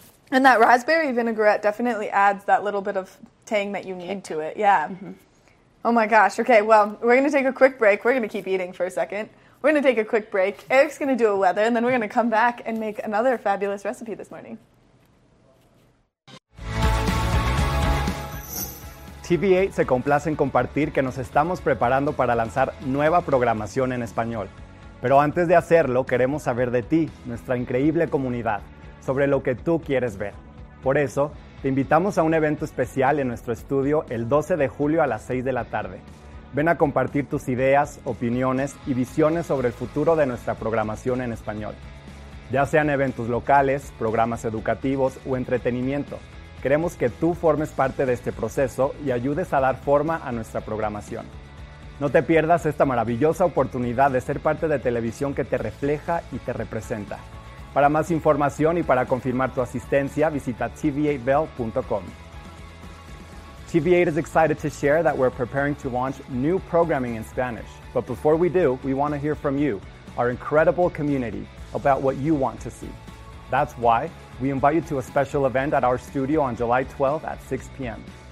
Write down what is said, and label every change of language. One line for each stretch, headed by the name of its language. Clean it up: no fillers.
English: And that raspberry vinaigrette definitely adds that little bit of tang that you need to it. Yeah. Oh my gosh. Okay, well, we're going to take a quick break. We're going to keep eating for a second. We're going to take a quick break. Eric's going to do a weather, and then we're going to come back and make another fabulous recipe this morning.
Spanish: TV8 se complace en compartir que nos estamos preparando para lanzar nueva programación en español. Pero antes de hacerlo, queremos saber de ti, nuestra increíble comunidad, sobre lo que tú quieres ver. Por eso, te invitamos a un evento especial en nuestro estudio el 12 de julio a las 6 de la tarde. Ven a compartir tus ideas, opiniones y visiones sobre el futuro de nuestra programación en español. Ya sean eventos locales, programas educativos o entretenimiento, queremos que tú formes parte de este proceso y ayudes a dar forma a nuestra programación. No te pierdas esta maravillosa oportunidad de ser parte de televisión que te refleja y te representa. Para más información y para confirmar tu asistencia, visita tv8bell.com.
English: TV8 is excited to share that we're preparing to launch new programming in Spanish. But before we do, we want to hear from you, our incredible community, about what you want to see. That's why we invite you to a special event at our studio on July 12th at 6 p.m.